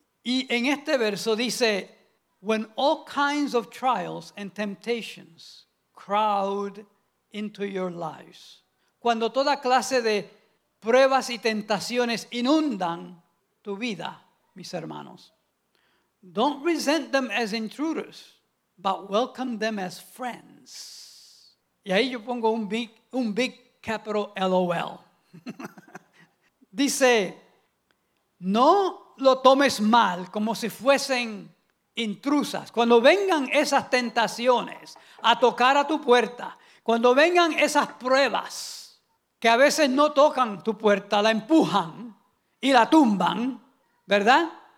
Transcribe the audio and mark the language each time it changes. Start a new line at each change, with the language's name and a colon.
Spanish: Y en este verso dice, when all kinds of trials and temptations crowd into your lives. Cuando toda clase de pruebas y tentaciones inundan tu vida, mis hermanos.
English: Don't resent them as intruders, but welcome them as friends.
Spanish: Y ahí yo pongo un big capital LOL. Dice, no lo tomes mal como si fuesen intrusas. Cuando vengan esas tentaciones a tocar a tu puerta, cuando vengan esas pruebas que a veces no tocan tu puerta, la empujan y la tumban, ¿verdad?